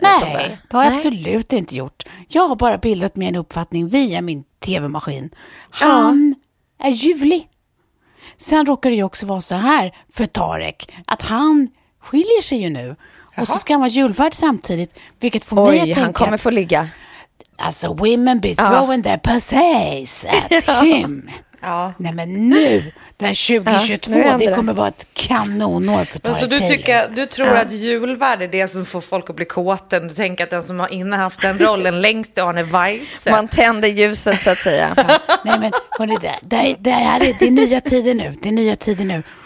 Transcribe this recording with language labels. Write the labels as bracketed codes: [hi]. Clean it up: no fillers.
[sv] Nej, det har jag absolut inte gjort. Jag har bara bildat mig en uppfattning via min tv-maskin. Han är ljuvlig. Sen råkar det ju också vara så här för Tarek, att han skiljer sig ju nu. Jaha. Och så ska han vara julvärd samtidigt, vilket får mig att han kommer få ligga. [en] Alltså women be throwing their passes at him. [sv] Ja. Nej men nu, den 2022, det kommer vara ett kanonår för Tarek. Så du tycker, du tror att julvärd är det som får folk att bli kåten? Du tänker att den som har innehaft den rollen längst är Arne Weise. Man tänder ljuset så att säga. Nej men hörni, det är nya tider nu. Det är nya tider nu.